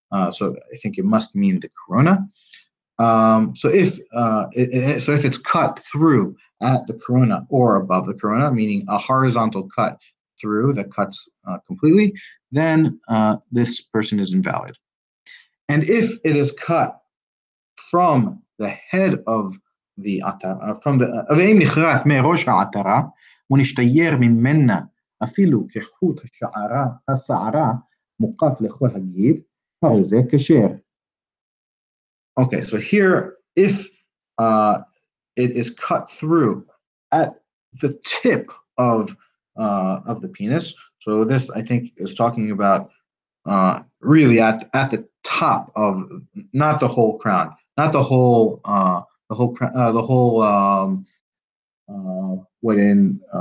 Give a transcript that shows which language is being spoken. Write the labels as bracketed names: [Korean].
[English] So I think it must mean the corona. So if it's cut through at the corona or above the corona, meaning a horizontal cut through that cuts completely, then this person is invalid. And if it is cut from the [Hebrew] head of the atara, from the ve'im nichrat me rosh ha'atara, ונשתייר ממנה אפילו כחוט השערה, השערה מוקף לכל הגיד, הרי זה כשר. [English] Okay, so here, if it is cut through at the tip of the penis, so this, I think, is talking about really at the top of, not the whole crown, not the whole, the whole, what in